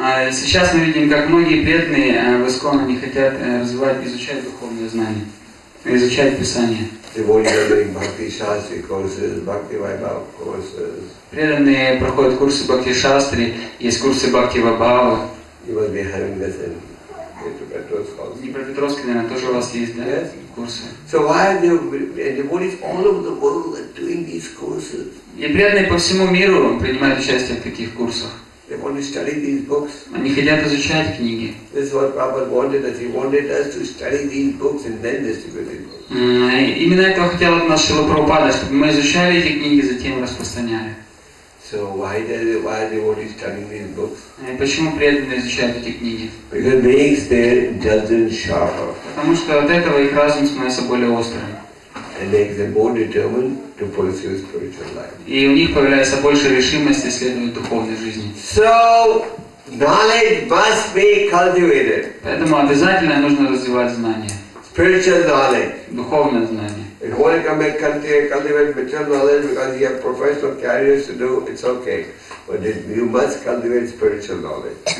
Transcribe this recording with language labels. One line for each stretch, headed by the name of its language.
Russian: Сейчас мы видим, как многие бедные в Искон не хотят развивать, изучать духовные знания, изучать Писание.
English: They won't go big bhakti shastri courses, bhakti vaibhav courses.
Russian: Преданные проходят курсы бхакти шастри, есть курсы бхакти вайбхава.
English: You must be having this in Днепропетровск.
Russian: Днепропетровск, наверное, тоже у вас есть, да?
English: Yes.
Russian: Курсы.
English: So why are devotees all over the world are doing these courses?
Russian: И преданные по всему миру принимают участие в таких курсах.
English: They want to study these books.
Russian: Они хотят изучать книги.
English: This is what Prabhupada wanted us. He wanted us to study these books and then distribute them.
Russian: Именно этого хотел от нас Шрила Прабхупада, чтобы мы изучали эти книги, затем распространяли.
English: So why are devotees studying these books?
Russian: Почему преданные изучают эти книги?
English: Because it makes their intelligence sharper.
Russian: Потому что от этого их разум становится более острым.
English: And makes them more determined to pursue spiritual life.
Russian: И у них появляется больше решимости следовать духовной жизни.
English: So knowledge must be cultivated.
Russian: Поэтому обязательно нужно развивать знания.
English: Spiritual knowledge.
Russian: Духовное знание.
English: If one can make cultivate material knowledge because he has professional carriers to do, it's okay. But you must cultivate spiritual knowledge.